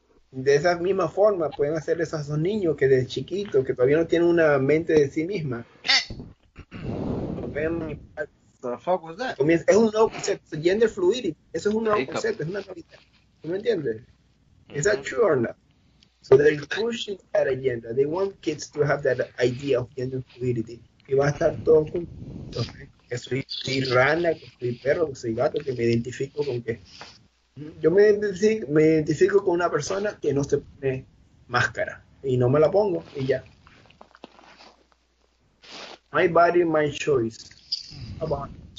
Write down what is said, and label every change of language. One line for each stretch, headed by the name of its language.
Spanish: De esa misma forma pueden hacer eso a esos niños que desde chiquitos, que todavía no tienen una mente de sí misma.
English: ¿Qué? The fuck was that?
Spanish: Comienza, es un nuevo concepto. Gender fluidity. Eso es un nuevo concepto. Es una novedad. ¿Tú me entiendes?
English: Is that true or not? So they're pushing that agenda. They want kids to have that idea of gender fluidity.
Spanish: Y va a estar todo junto. Que soy rana, que soy perro, que soy gato, que me identifico con qué. Yo me identifico con una persona que no se pone máscara. Y no me la pongo, y ya.
English: My body, my choice. Come on.